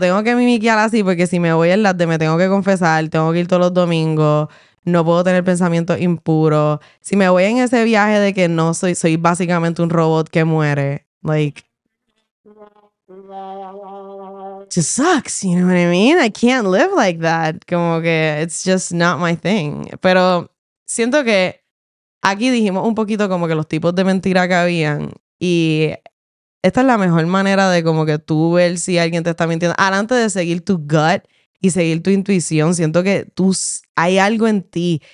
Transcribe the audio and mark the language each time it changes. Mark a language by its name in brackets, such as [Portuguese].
[Spanish] Tengo que mimiquear así porque si me voy en las de me tengo que confesar, tengo que ir todos los domingos, no puedo tener pensamientos impuros. Si me voy en ese viaje de que no soy, soy básicamente un robot que muere. [English] Like... It just sucks, you know what I mean? I can't live like that. [Spanish] Como que [English] it's just not my thing. [Spanish] Pero siento que aquí dijimos un poquito como que los tipos de mentira que habían. Y esta es la mejor manera de como que tú ver si alguien te está mintiendo. Ahora, antes de seguir tu gut y seguir tu intuición, siento que tú hay algo en ti.